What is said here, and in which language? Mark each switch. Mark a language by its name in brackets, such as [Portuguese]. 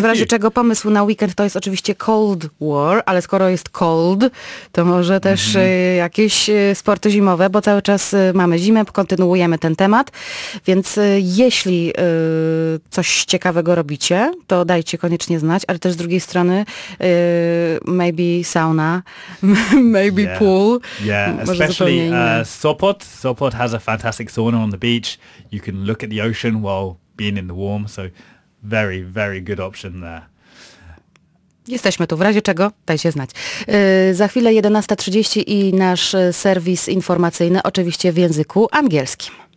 [Polish] W razie czego pomysł na weekend to jest oczywiście Cold War, ale skoro jest cold, to może też jakieś sporty zimowe, bo cały czas mamy zimę, kontynuujemy ten temat, więc jeśli coś ciekawego robicie, to dajcie koniecznie znać, ale też z drugiej strony [English] maybe sauna, maybe pool. Yeah, especially Sopot. Sopot has a fantastic sauna on the beach. You can look at the ocean while being in the warm, so... Very, very good option there. [Polish] Jesteśmy tu. W razie czego, dajcie znać. Za chwilę 11:30 i nasz serwis informacyjny, oczywiście w języku angielskim.